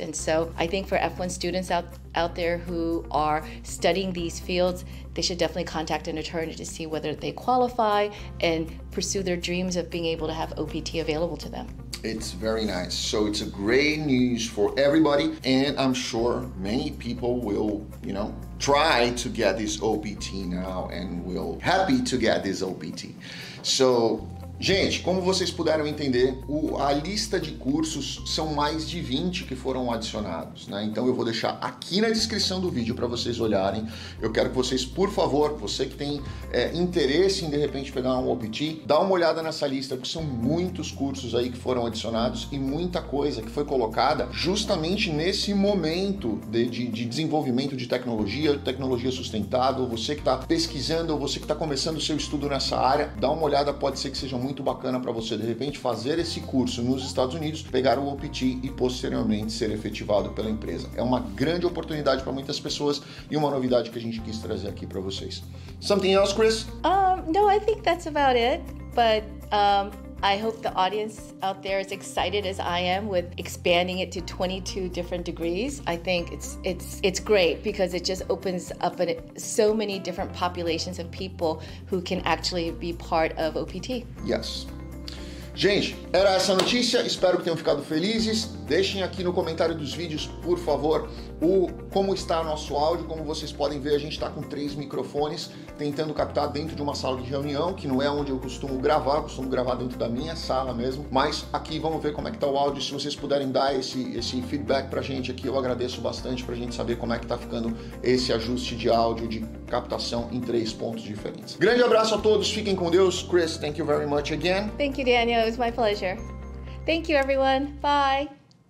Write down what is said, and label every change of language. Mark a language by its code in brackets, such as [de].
[en] And so I think for F1 students out there who are studying these fields, they should definitely contact an attorney to see whether they qualify and pursue their dreams of being able to have OPT available to them. It's very nice. So it's a great news for everybody, and I'm sure many people will, you know, try to get this OPT now and will be happy to get this OPT. [pt] So, gente, como vocês puderam entender, a lista de cursos são mais de 20 que foram adicionados, né? Então eu vou deixar aqui na descrição do vídeo para vocês olharem. Eu quero que vocês, por favor, você que tem interesse em, de repente, pegar um OPT, dá uma olhada nessa lista, porque são muitos cursos aí que foram adicionados e muita coisa que foi colocada justamente nesse momento de desenvolvimento de tecnologia sustentável. Você que está pesquisando, você que está começando o seu estudo nessa área, dá uma olhada, pode ser que seja muito bacana para você, de repente, fazer esse curso nos Estados Unidos, pegar o OPT e posteriormente ser efetivado pela empresa. É uma grande oportunidade para muitas pessoas e uma novidade que a gente quis trazer aqui para vocês. [en] Something else, Chris? No, I think that's about it, but I hope the audience out there is excited as I am with expanding it to 22 different degrees. I think it's great, because it just opens up so many different populations of people who can actually be part of OPT. [pt] Yes. Gente, era essa notícia. Espero que tenham ficado felizes. Deixem aqui no comentário dos vídeos, por favor, como está nosso áudio. Como vocês podem ver, a gente está com 3 microfones tentando captar dentro de uma sala de reunião, que não é onde eu costumo gravar dentro da minha sala mesmo. Mas aqui vamos ver como é que está o áudio. Se vocês puderem dar esse feedback para a gente aqui, eu agradeço bastante, para a gente saber como é que está ficando esse ajuste de áudio, de captação em 3 pontos diferentes. Grande abraço a todos, fiquem com Deus. Chris, [en] thank you very much again. Thank you, Daniel. It was my pleasure. Thank you, everyone. Bye.